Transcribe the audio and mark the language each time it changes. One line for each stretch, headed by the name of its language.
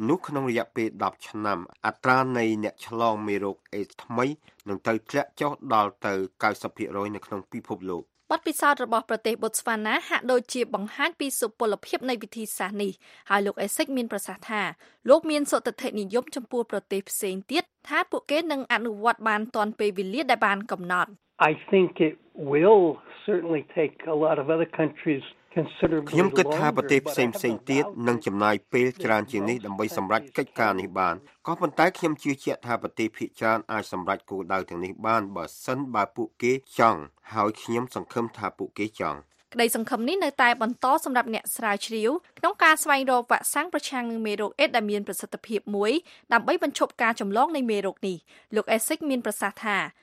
Khmer: នោះក្នុងរយៈពេល10ឆ្នាំអត្រានៃអ្នកឆ្លងមេរោគអេដស៍ថ្មីនឹងត្រូវធ្លាក់ចុះដល់ទៅ 90% នៅក្នុងពិភពលោក បទពិសោធន៍របស់ប្រទេសបូស្វាណាហាក់ដូចជាបង្ហាញពីសុពលភាពនៃវិធីសាស្ត្រនេះហើយលោកអេសិកមានប្រសាសន៍ថាលោកមានសុទ្ធតិនិយមចំពោះប្រទេសផ្សេងទៀតថាពួកគេនឹងអនុវត្តបានទាន់ពេលវេលាដែលបានកំណត់
English: I think it will certainly take a lot of other countries
Khmer: ខ្ញុំគិតថាប្រទេសផ្សេងៗទៀតនឹងចំណាយពេលច្រើនជាងនេះដើម្បីសម្រេចកិច្ចការនេះបានក៏ប៉ុន្តែខ្ញុំជឿជាក់ថាប្រទេសភាគច្រើនអាចសម្រេចគោលដៅទាំងនេះបានបើសិនបើពួកគេចង់ហើយខ្ញុំសង្ឃឹមថាពួកគេចង់ក្តីសង្ឃឹមនេះនៅតែបន្តសម្រាប់អ្នកស្រាវជ្រាវក្នុងការស្វែងរកវ៉ាក់សាំងប្រឆាំងនឹងមេរោគអេដដែលមានប្រសិទ្ធភាពមួយដើម្បីបញ្ឈប់ការចម្លងនៃមេរោគនេះលោកអេសិកមានប្រសាសន៍ថា